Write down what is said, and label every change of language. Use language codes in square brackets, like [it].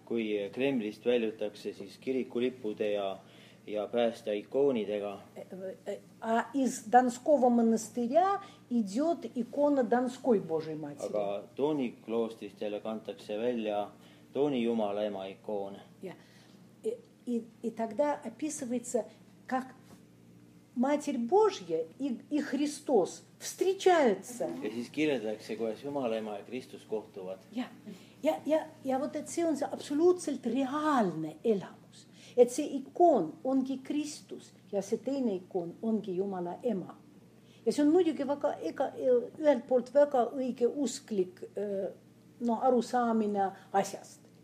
[et] kui Kremlist väljutakse siis kirikulippude ja päästja ikoonidega, [ru] а из Донского монастыря идет икона Донской Божьей Матери. [et] Aga Toni kloostrist jälle kantakse välja Toni Jumala ema ikoon. [ru] И тогда описывается, как Матерь Божья и Христос встречаются. [et] Ja siis kirjeldakse, kuidas Jumala ema ja Kristus kohtuvad. Ja вот et see on see absoluutselt reaalne elamus. Et see ikoon ongi Kristus ja see teine ikoon ongi Jumala ema. Ja see on muidugi väga, ühelt poolt väga õige usklik no, arusaamine asjast.